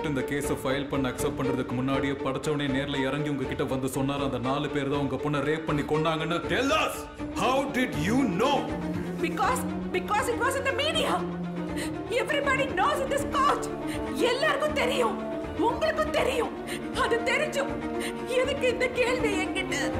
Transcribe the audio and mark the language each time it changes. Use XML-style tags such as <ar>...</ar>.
<ta>கேஸை ஃபைல் பண்ண அக்செப்ட் பண்றதுக்கு முன்னாடியே படைச்சவனே நேர்ல இறங்கி உங்ககிட்ட வந்து சொன்னாரு அந்த நாலு பேர் தான் உங்க பொண்ணை ரேப் பண்ணி கொண்டாங்கன்னு.</ta> <en>Tell us, how did you know? Because it was in the media. Everybody knows in this court.</en> <ta>எல்லாருக்கும் தெரியும். உங்களுக்கும் தெரியும். அது தெரிஞ்சும் எதுக்கு இந்த கேள்வி எங்கிட்ட?</ta>